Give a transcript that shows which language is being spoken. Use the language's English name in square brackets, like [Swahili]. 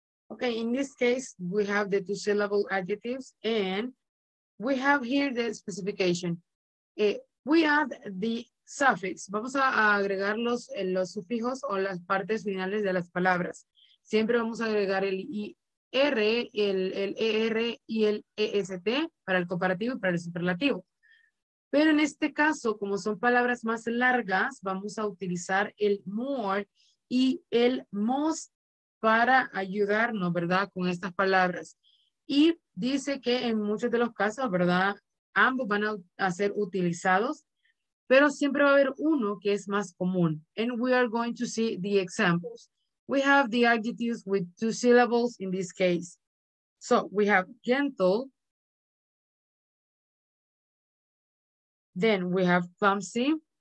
[English] Okay, in this case, we have the two syllable adjectives and we have here the specification. We add the suffix. [Spanish] Vamos a agregar los sufijos o las partes finales de las palabras. Siempre vamos a agregar el IR, el ER y el EST para el comparativo y para el superlativo. Pero en este caso, como son palabras más largas, vamos a utilizar el more y el most para ayudarnos, ¿verdad?, con estas palabras. Y dice que en muchos de los casos, ¿verdad?, ambos van a ser utilizados, pero siempre va a haber uno que es más común. [English] And we are going to see the examples. We have the adjectives with two syllables in this case. So we have gentle. Then we have clumsy.